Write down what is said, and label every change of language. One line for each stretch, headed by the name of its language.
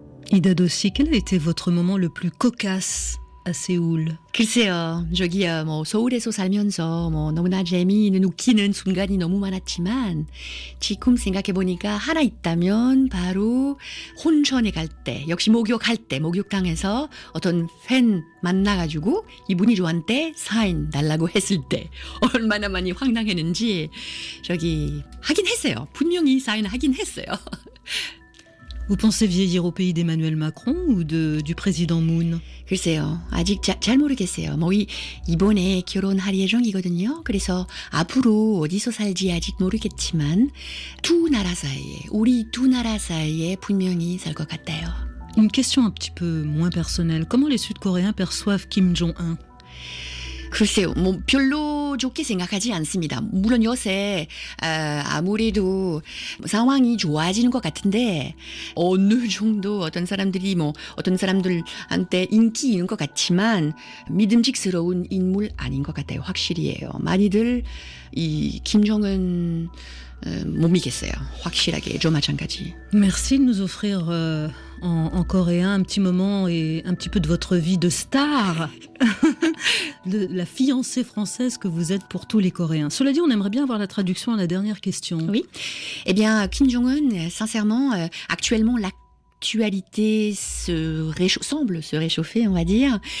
French: Ida Dossi, quel a été votre moment le plus cocasse à Séoul?
Korean: 글쎄요, 저기 뭐 서울에서 살면서 뭐 너무나 재미있는 웃기는 순간이 너무 많았지만 지금 생각해 보니까 하나 있다면 바로 혼천에 갈 때, 역시 목욕할 때 목욕탕에서 어떤 팬 만나가지고 이분이 저한테 사인 달라고 했을 때 얼마나 많이 황당했는지 저기 하긴 했어요. 분명히 사인 하긴 했어요.
French: Vous pensez vieillir au pays d'Emmanuel Macron ou du président Moon?
Korean: 글쎄요. 아직 잘 모르겠어요. 뭐 이번에 결혼할 예정이거든요. 그래서 앞으로 어디서 살지 아직 모르겠지만 두 나라 사이에, 우리 두 나라 사이에 분명히 살 것 같아요.
French: Une question un petit peu moins personnelle. Comment les Sud-Coréens perçoivent Kim Jong-un?
Korean: 글쎄요. 뭐 별로 좋게 생각하지 않습니다. 물론 요새 아무래도 상황이 좋아지는 것 같은데 어느 정도 어떤 사람들이 뭐 어떤 사람들한테 인기 있는 것 같지만 믿음직스러운 인물 아닌 것 같아요. 확실히예요. 많이들 이 김정은 못 믿겠어요. 확실하게 저 마찬가지.
French: Merci de nous offrir en coréen un petit moment et un petit peu de votre vie de star. la fiancée française que vous êtes pour tous les Coréens. Cela dit, on aimerait bien avoir la traduction à la dernière question. Oui. Eh bien, Kim Jong-un, sincèrement, actuellement, l'actualité semble se réchauffer, on va dire.